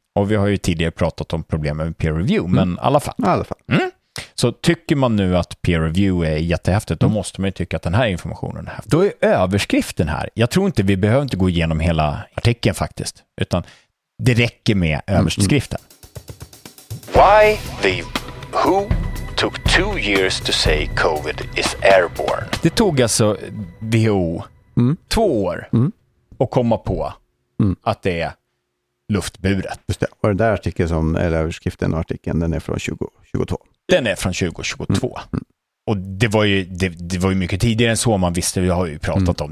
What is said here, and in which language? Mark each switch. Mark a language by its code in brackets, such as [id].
[sv] Och vi har ju tidigare pratat om problemen med peer-review, men i alla fall. Så tycker man nu att peer review är jättehäftigt, då måste man ju tycka att den här informationen är häftig. Då är överskriften här, jag tror inte vi behöver inte gå igenom hela artikeln faktiskt, utan det räcker med överskriften. [en] Why the WHO took 2 years to say COVID is airborne. [sv] Det tog alltså WHO 2 år att komma på att det är luftburet. Just det. Och den där artikeln som är överskriften och artikeln, den är från 2022. Den är från 2022. Och det var ju mycket tidigare än så, man visste, vi har ju pratat om.